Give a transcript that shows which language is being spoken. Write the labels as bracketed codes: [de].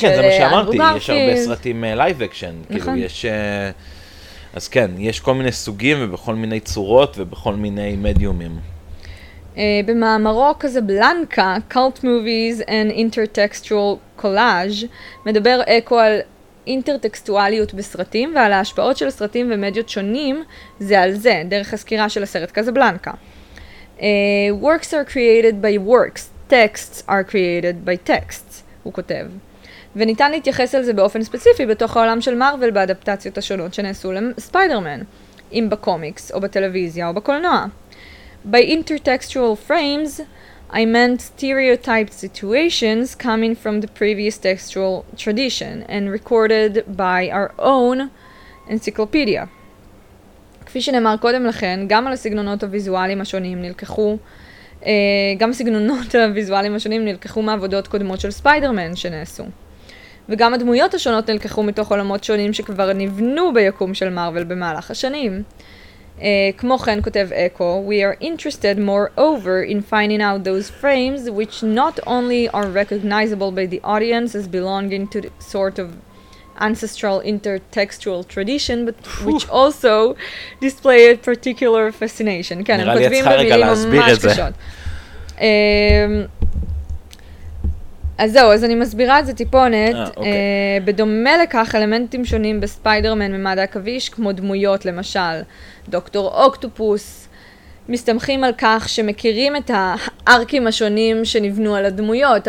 [he] כן, כן, זה מה שאמרתי, יש הרבה סרטים לייב אקשן. נכון. כאילו יש, אז כן, יש כל מיני סוגים ובכל מיני צורות ובכל מיני מדיומים. במאמרו כזה בלנקה, Cult Movies and Intertextual Collage, מדבר אקו על אינטרטקסטואליות בסרטים ועל ההשפעות של סרטים ומדיות שונים זה על זה, דרך הזכירה של הסרט כזה בלנקה. [en] Works are created by works, texts are created by texts, [he] הוא כותב. וניתן להתייחס על זה באופן ספציפי בתוך העולם של מרוול באדפטציות השונות שנעשו לספיידרמן, אם בקומיקס או בטלוויזיה או בקולנוע. [en] By intertextual frames, I meant stereotyped situations coming from the previous textual tradition and recorded by our own encyclopedia. [he] כפי שנאמר קודם לכן, גם על הסגנונות הוויזואליים השונים נלקחו, גם הסגנונות הוויזואליים השונים נלקחו מעבודות קודמות של ספיידרמן שנעשו. וגם הדמויות השונות נלקחו מתוך עולמות שונים שכבר נבנו ביקום של מרוול במהלך השנים. כמו כן כותב אקו, [en] We are interested moreover in finding out those frames which not only are recognizable by the audience as belonging to the sort of ancestral intertextual tradition but which also display a particular fascination. [he] כן, הם כותבים במילים ממש קשות. אז זהו, אז אני מסבירה את זה טיפונת. בדומה לכך, אלמנטים שונים בספיידרמן ממד הכביש, כמו דמויות למשל דוקטור אוקטופוס, מסתמכים על כך שמכירים את הארקים השונים שנבנו על הדמויות.